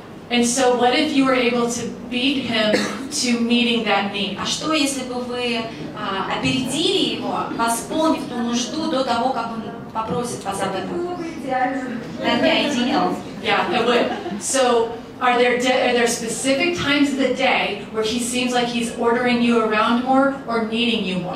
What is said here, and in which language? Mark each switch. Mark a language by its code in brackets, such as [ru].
[en] And so what if you were able to beat him to meeting that need? [ru] А что если бы вы опередили его, восполнив ту нужду до того, как он попросит вас об этом? [en] That'd be ideal. Yeah, it would. So are there specific times of the day where he seems like he's ordering you around more or needing you more?